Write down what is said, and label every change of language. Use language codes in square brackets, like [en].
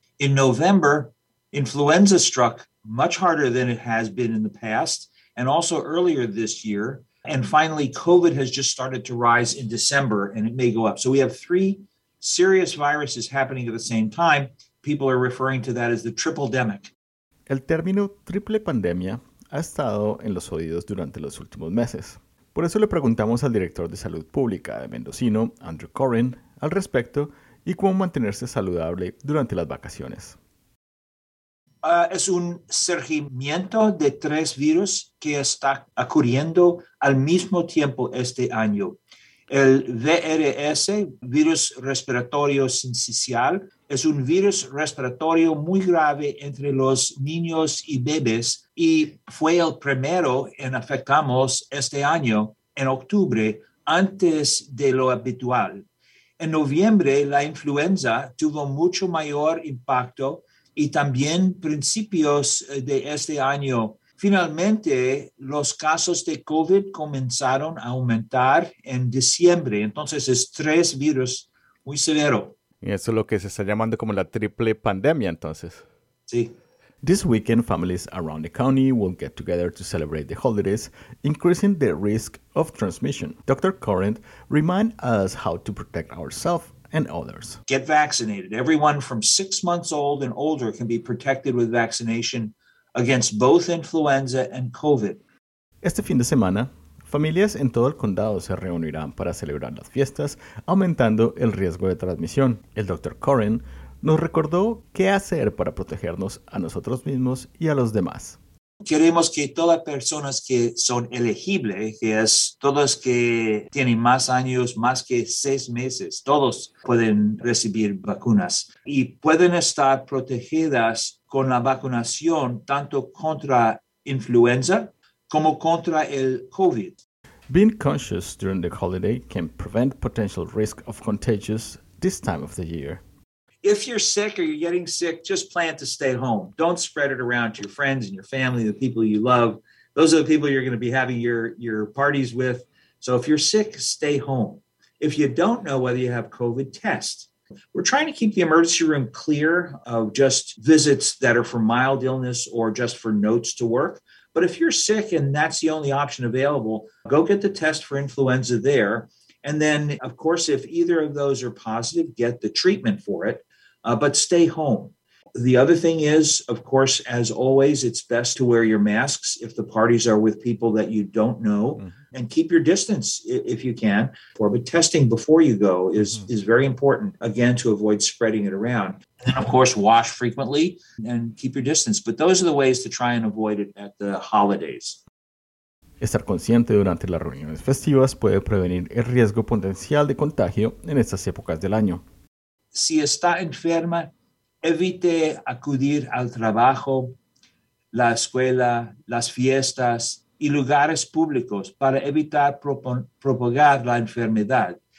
[en] In November, influenza struck much harder than it has been in the past, and also earlier this year. And finally, COVID has just started to rise in December, and it may go up. So we have three serious viruses happening at the same time. People are referring to that as the triple-demic. [es] El término triple pandemia ha estado en los oídos durante los últimos meses. Por eso le preguntamos al director de salud pública de Mendocino, Andrew Corrin, al respecto y cómo mantenerse saludable durante las vacaciones. Es un surgimiento de tres virus que está ocurriendo al mismo tiempo este año. El VRS, virus respiratorio sincicial, es un virus respiratorio muy grave entre los niños y bebés y fue el primero en afectarnos este año, en octubre, antes de lo habitual. En noviembre, la influenza tuvo mucho mayor impacto y también principios de este año. Finalmente, los casos de COVID comenzaron a aumentar en diciembre. Entonces, es tres virus muy severo. Y eso es lo que se está llamando como la triple pandemia, entonces. Sí. [en] This weekend, families around the county will get together to celebrate the holidays, increasing the risk of transmission. Dr. Corrin, remind us how to protect ourselves and others. Get vaccinated. Everyone from 6 months old and older can be protected with vaccination against both influenza and COVID. [es] Este fin de semana, familias en todo el condado se reunirán para celebrar las fiestas, aumentando el riesgo de transmisión. El Dr. Corrin nos recordó qué hacer para protegernos a nosotros mismos y a los demás. Queremos que todas las personas que son elegibles, que es todos que tienen más años, más que 6 meses, todos pueden recibir vacunas y pueden estar protegidas con la vacunación tanto contra influenza como contra el COVID. [en] Being conscious during the holiday can prevent potential risk of contagious this time of the year. If you're sick or you're getting sick, just plan to stay home. Don't spread it around to your friends and your family, the people you love. Those are the people you're going to be having your parties with. So if you're sick, stay home. If you don't know whether you have COVID, test. We're trying to keep the emergency room clear of just visits that are for mild illness or just for notes to work. But if you're sick and that's the only option available, go get the test for influenza there. And then, of course, if either of those are positive, get the treatment for it, but stay home. The other thing is, of course, as always, it's best to wear your masks if the parties are with people that you don't know, and keep your distance if you can. But testing before you go is very important, again, to avoid spreading it around. And then, of course, wash frequently and keep your distance. But those are the ways to try and avoid it at the holidays. [es] Estar consciente durante las reuniones festivas puede prevenir el riesgo potencial de contagio en estas épocas del año. Si está enferma, evite acudir al trabajo, la escuela, las fiestas y lugares públicos para evitar propagar la enfermedad.